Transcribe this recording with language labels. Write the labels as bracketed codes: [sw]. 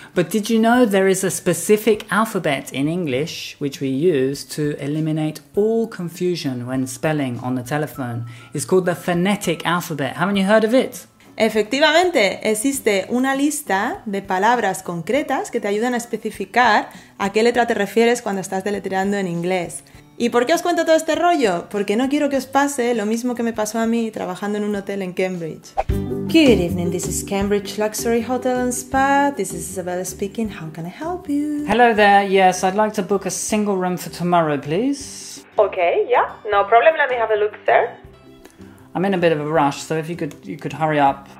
[en] But did you know there is a specific alphabet in English which we use to eliminate all confusion when spelling on the telephone? It's called the phonetic alphabet. Haven't you heard of it? [es] Efectivamente, existe una lista de palabras concretas que te ayudan a especificar a qué letra te refieres cuando estás deletreando en inglés. ¿Y por qué os cuento todo este rollo? Porque no quiero que os pase lo mismo que me pasó a mí trabajando en un hotel en Cambridge. [en] Good evening, this is Cambridge Luxury Hotel and Spa. This is Isabella speaking. How can I help you? Hello there. Yes, I'd like to book a single room for tomorrow, please. Okay, yeah. No problem. Let me have a look, sir. I'm in a bit of a rush, so if you could hurry up.